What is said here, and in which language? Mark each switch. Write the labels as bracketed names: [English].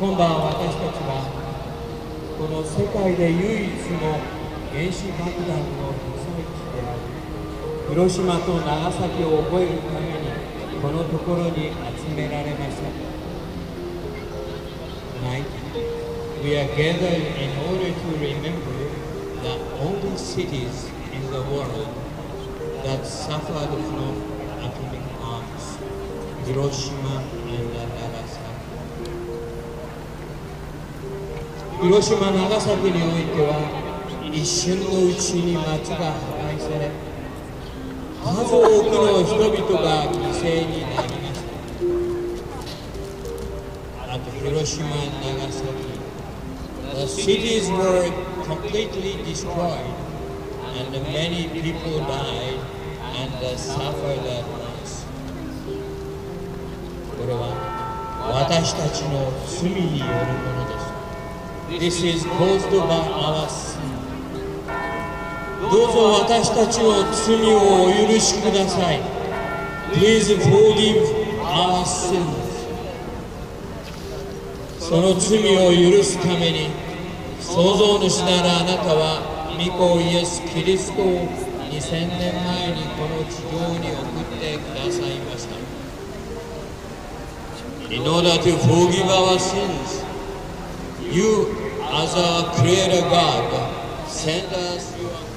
[Japanese] 今晩私たちはこの世界で唯一の原子爆弾の被災地である広島と長崎を覚えるためにこのところに集められました。 [English] We are gathered in order to remember the only cities in the world that suffered from a Hiroshima and Nagasaki. [Japanese] Hiroshima and Nagasaki において は 一瞬のうちに街が破壊され、数多くの人々が犠牲になりました。あと [English] Hiroshima and Nagasaki, the cities were completely destroyed and many people died and suffered at loss. [Japanese] これは私たちの罪によるものです。 [English] This is caused by our sin. [Japanese] どうぞ私たちの罪をお許しください。 [English] Please forgive our sins. [Japanese] その罪を許すために創造主なるあなたは御子イエス・キリストを2000年前にこの地上に送ってくださいました。 [English] In order to forgive our sins, you, as our Creator God, send us your...